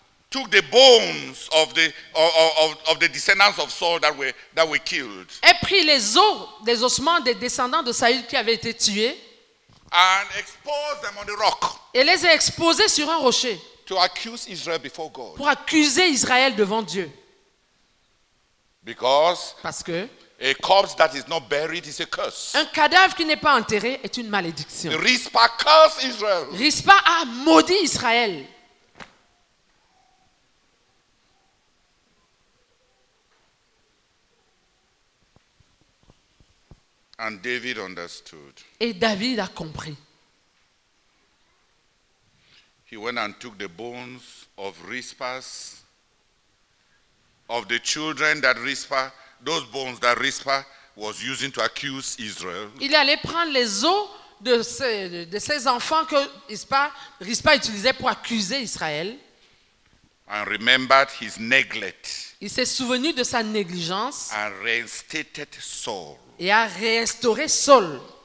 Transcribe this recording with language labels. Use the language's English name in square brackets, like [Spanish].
[English] took the bones of the descendants of Saul that were killed. [French] Ait pris les os des ossements des descendants de Saül qui avaient été tués. [English] And expose them on the rock. [French] Et les a exposés sur un rocher. [English] To accuse Israel before God. [French] Pour accuser Israël devant Dieu. [English] Because. [French] Parce que. [English] A corpse that is not buried is a curse. [French] Un cadavre qui n'est pas enterré est une malédiction. [English] Rispa cursed Israel. [French] Rispa a maudit Israël. [English] And David understood. [French] Et David a compris. [English] He went and took the bones of Rispa's, of the children that Rispa, those bones that Rispa was using to accuse Israel. [French] Il est allé prendre les os de ces enfants que Rispa utilisait pour accuser Israël. [English] And remembered his neglect. [French] Il s'est souvenu de sa négligence. [English] And reinstated Saul. [French] Et a restauré Saul